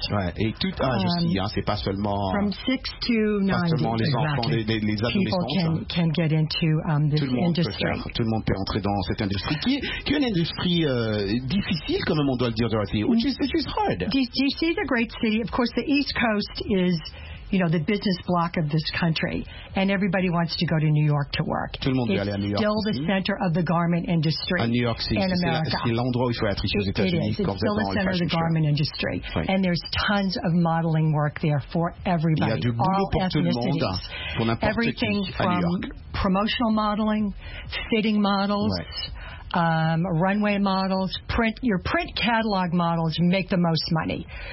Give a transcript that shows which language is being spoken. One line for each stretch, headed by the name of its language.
French: Ouais. Et tout âge aussi, hein. C'est pas seulement...
English: From 6 to 90.
French: Pas seulement les enfants, les adolescents.
English: People can get into this
French: tout le monde
English: industry.
French: Peut faire, tout le monde peut entrer dans cette industrie. Qui est une industrie difficile, quand même, on doit le dire, Dorothy.
English: Which is hard. D.C. is a great city. Of course, the East Coast is... You know, the business block of this country. And everybody wants to go to New York to work.
French: Tout le monde veut aller à New York.
English: It's still the center of the garment industry in America.
French: À New York, c'est l'endroit où il faut être ici aux États-Unis.
English: It's still the center of the garment industry. And there's tons of modeling work there for everybody.
French: Il y a du boulot pour tout le monde, pour n'importe qui, à New York.
English: Promotional modeling, fitting models. Runway models, your print catalog models make the most money.